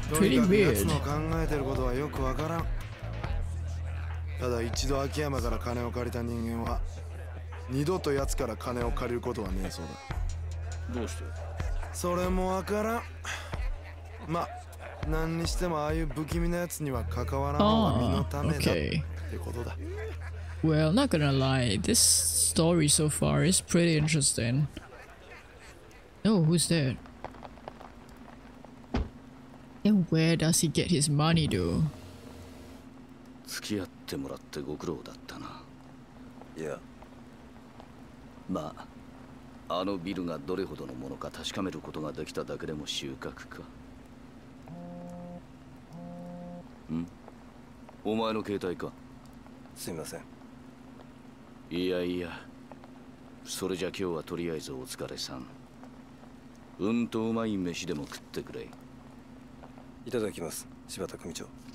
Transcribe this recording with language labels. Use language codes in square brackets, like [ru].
[ja] とにかく奴の考えてることはよくわからん。ただ一度秋山から金を借りた人間は二度と奴から金を借りることはねえそうだ。どうして？それもわからん。ま、何にしてもああいう不気味な奴には関わらんのは身のためだってことだ。 [en] Well, not gonna lie, this story so far is pretty interesting. Oh, who's that? And where does he get his money, though? [ja] 付き合ってもらってご苦労だったな。いや。まあ、あのビルがどれほどのものか確かめることができただけでも収穫か。ん?お前の携帯か?すいません。いやいや。それじゃ今日はとりあえずお疲れさん。うんとうまい飯でも食ってくれ。いただきます、柴田組長。